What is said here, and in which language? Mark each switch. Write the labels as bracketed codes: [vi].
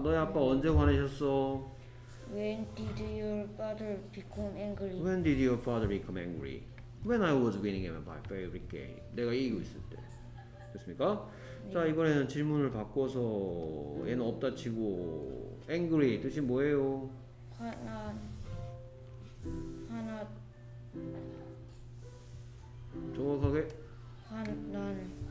[ko] 너의 아빠 언제 화내셨어? [en] When did your father become angry? When did your father become angry? When I was winning at my favorite game. [ko] 내가 이기고 있을 때. 됐습니까? 자, 이번에는 질문을 바꿔서 얘는 없다 치고 angry 뜻이 뭐예요? 화난 정확하게? 화난